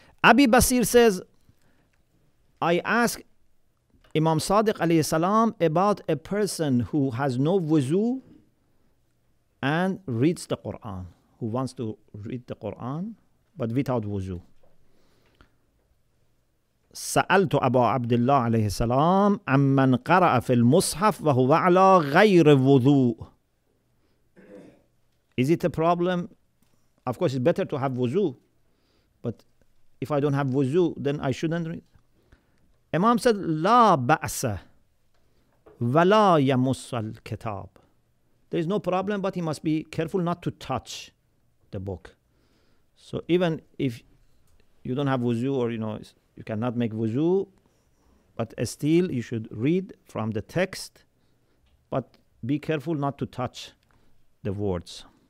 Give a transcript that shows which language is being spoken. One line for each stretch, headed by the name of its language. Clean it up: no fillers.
English: Abi Basir says, I ask Imam Sadiq alayhi salam about a person who has no wuzu and reads the Quran, who wants to read the Quran but without wuzu.
Arabic: سألت أبا عبد الله عليه السلام عن من قرأ في المصحف وهو على غير وضوء.
English: Is it a problem? Of course, it's better to have wuzu. But if I don't have wuzu, then I shouldn't read. Imam said,
Arabic: لا بأس ولا يمس الكتاب.
English: There is no problem, but he must be careful not to touch the book. So even if you don't have wuzu, or you know, you cannot make wuzu, but still you should read from the text, but be careful not to touch the words.